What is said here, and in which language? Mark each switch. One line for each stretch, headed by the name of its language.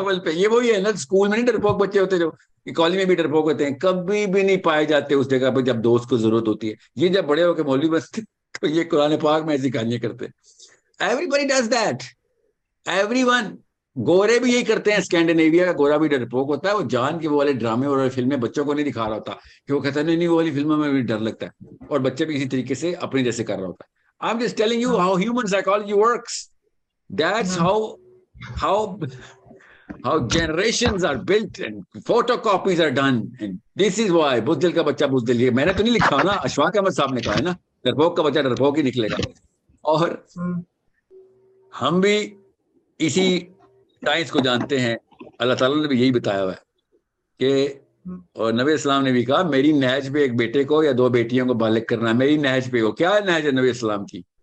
Urdu: یہ وہی ہے نا اسکول میں نہیں ڈرپوک بچے ہوتے جو کالج میں بھی ڈرپوک ہوتے ہیں کبھی بھی نہیں پائے جاتے اس جگہ پہ جب دوست کو ضرورت ہوتی ہے یہ جب بڑے ہو کے مولوی بستے تو یہ قرآن پاک میں ایسی کہانیاں کرتے
English: Everybody does that. Everyone.
Urdu: گورے بھی یہی کرتے ہیں اسکینڈینیویا کا گورا بھی ڈرپوک ہوتا ہے وہ جان کے وہ والے ڈرامے اور فلمیں بچوں کو نہیں دکھا رہا ہوتا کہ وہ کہتا ہے نہیں وہ والی فلموں میں بھی ڈر لگتا ہے اور بچے بھی اسی طریقے سے اپنی جیسے کر رہا ہوتا ہے
English: I'm just telling you how human psychology works. That's how generations are built and photocopies are done. And this is why
Urdu: بزدل کا بچہ بزدل یہ میں نے تو نہیں لکھا نا اشفاق احمد صاحب نے کہا ہے نا ڈرپوک کا بچہ ڈرپوک ہی نکلے گا اور ہم بھی اسی ٹائمز کو جانتے ہیں اللہ تعالیٰ نے بھی یہی بتایا ہوا ہے کہ اور نبی اسلام نے بھی کہا میری نہج پہ ایک بیٹے کو یا دو بیٹیوں کو بالغ کرنا ہے میری نہج پہ ہو کیا نہج ہے نبی اسلام کی